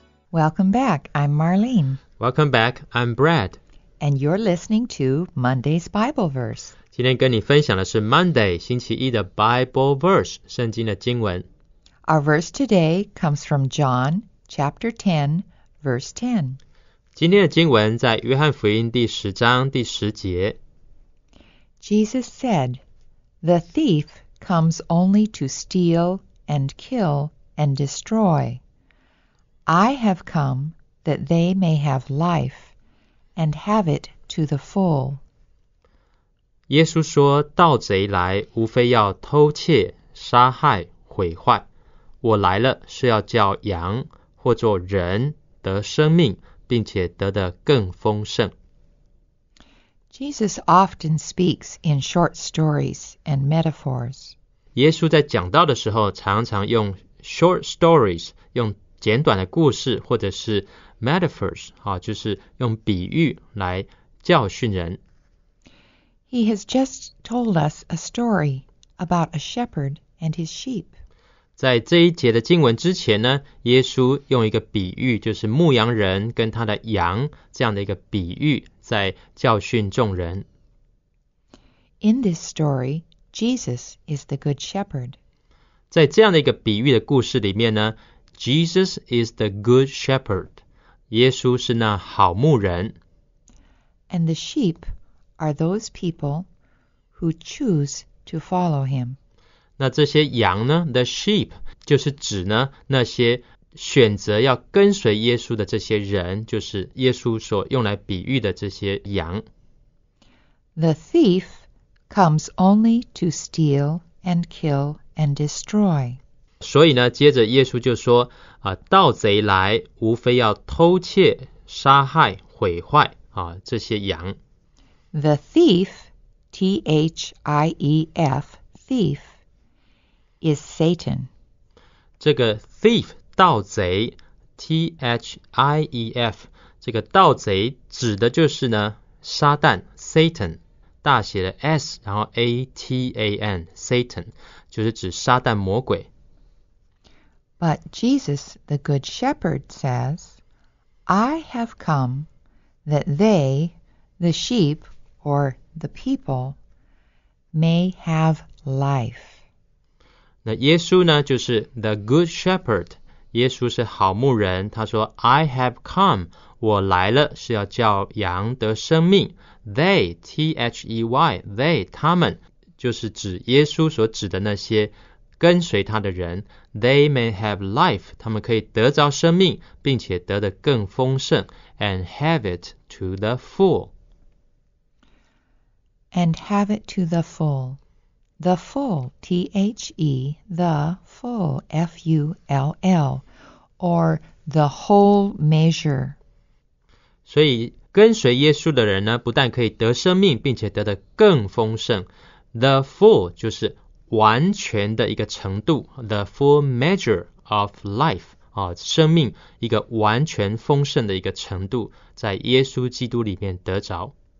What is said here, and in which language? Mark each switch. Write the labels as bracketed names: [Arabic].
[English] Welcome back. I'm Marlene. Welcome back. I'm Brad. And you're listening to Monday's Bible Verse. [Chinese] 今天跟你分享的是 Monday, 星期一的 Bible Verse, 圣经的经文。 [English] Our verse today comes from John chapter 10, verse 10. [Chinese] 今天的经文在约翰福音第十章第十节。 [English] Jesus said, The thief comes only to steal and kill and destroy. I have come that they may have life. And have it to the full. [Chinese] 耶稣说，盗贼来，无非要偷窃、杀害、毁坏。我来了，是要叫羊，或作人，得生命，并且得的更丰盛。 [English] Jesus often speaks in short stories and metaphors. [Chinese] 耶稣在讲道的时候，常常用 [English] short stories, [Chinese] 用简短的故事，或者是Metaphors, 就是用比喻来教训人。 [English] He has just told us a story about a shepherd and his sheep. [Chinese] 在这一节的经文之前呢，耶稣用一个比喻，就是牧羊人跟他的羊这样的一个比喻，在教训众人。 [English] In this story, Jesus is the good shepherd. [Chinese] 在这样的一个比喻的故事里面呢， [English] Jesus is the good shepherd. [Chinese] 耶稣是那好牧人。 [English] And the sheep are those people who choose to follow him. [Chinese] 那这些羊呢 , [English] the sheep, [Chinese] 就是指呢那些选择要跟随耶稣的这些人，就是耶稣所用来比喻的这些羊。 [English] The thief comes only to steal and kill and destroy. [Chinese] 所以呢，接着耶稣就说，盗贼来，无非要偷窃、杀害、毁坏，这些羊。 [English] The thief, T-H-I-E-F, thief, is Satan. [Chinese] 这个 thief, 盗贼 ,T-H-I-E-F, 这个盗贼指的就是呢，撒旦 ,Satan, 大写的 S, 然后 A-T-A-N, Satan, 就是指撒旦魔鬼。 [English] But Jesus, the Good Shepherd, says, I have come that they, the sheep, or the people, may have life. [Chinese] 那耶稣呢，就是 [English] the Good Shepherd, [Chinese] 耶稣是好牧人，他说 [English] I have come, [Chinese] 我来了是要叫羊得生命。 They, T-H-E-Y, they, 他们，就是指耶稣所指的那些跟随他的人 , [English] they may have life, [Chinese] 他们可以得着生命并且得得更丰盛 , [English] and have it to the full. And have it to the full. The full, T-H-E, the full, F-U-L-L, or the whole measure. [Chinese] 所以跟随耶稣的人呢不但可以得生命并且得得更丰盛 ,the full 就是完全的一个程度 , [English] the full measure of life, [Chinese] 生命一个完全丰盛的一个程度在耶稣基督里面得着。